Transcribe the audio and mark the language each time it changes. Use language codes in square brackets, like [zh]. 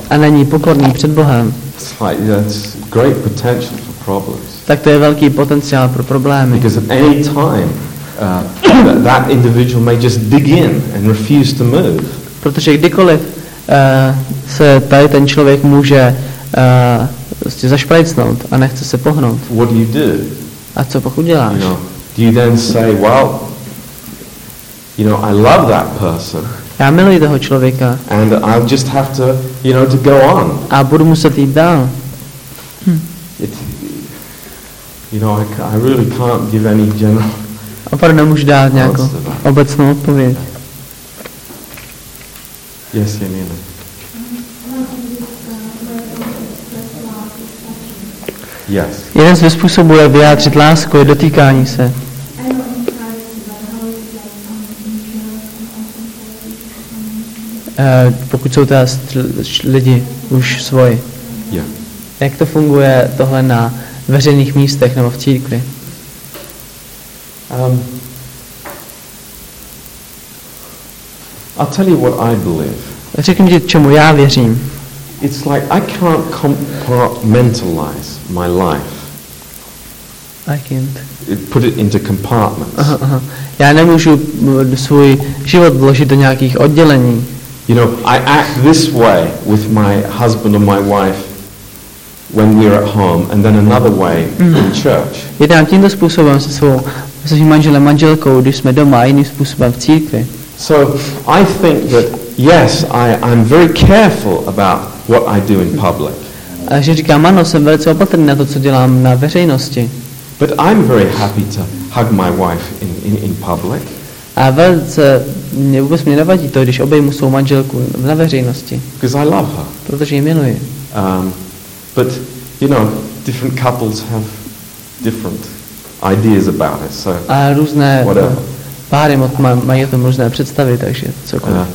[cs] A není pokorný před Bohem. [en] It's like that's great potential for problems. [cs] Tak to je velký potenciál pro problémy. [en] Because at any time that individual may just dig in and refuse to move. [cs] Protože kdykoliv se tady ten člověk může prostě zašprejcnout a nechce se pohnout. [en] What do you do? [cs] A co pak uděláš? [en] You know, do you then say, well, you know, I love that person. [cs] Já miluji toho člověka. [en] And I'll just have to, you know, to go on. [cs] A budu muset jít dál. [en] You know, I really can't give any general. [cs] Opravdu nemůžu dát nějakou obecnou odpověď. [en] Yes, Janina. Yes. [cs] Jeden ze způsobů, jak vyjádřit lásku, je dotýkání se. Pokud jsou teda lidi už svoji. [en] Yeah. [cs] Jak to funguje tohle na veřejných místech nebo v církvi? [en] I'll tell you what I believe. [cs] Řeknu ti, čemu já věřím. [en] It's like I can't compartmentalize my life. I can't. Put it into compartments. [cs] Já nemůžu svůj život vložit do nějakých oddělení. [en] You know, I act this way with my husband or my wife when we're at home, and then another way in church. [cs] Jednám tímto způsobem se svým manželem, manželkou, když jsme doma, a jiným způsobem v církvi. [en] So I think that yes, I'm very careful about what I do in public. [cs] A že říkám, ano, jsem velice opatrný na to, co dělám na veřejnosti. [en] But I'm very happy to hug my wife in public. [cs] A velice mě vůbec mě nevadí to, když obejmu svou manželku na veřejnosti. [en] Because I love her. [cs] Protože ji miluji. [en] But you know, different couples have different ideas about it. So. [cs] A různé páry mají o tom různé představy, takže cokoliv.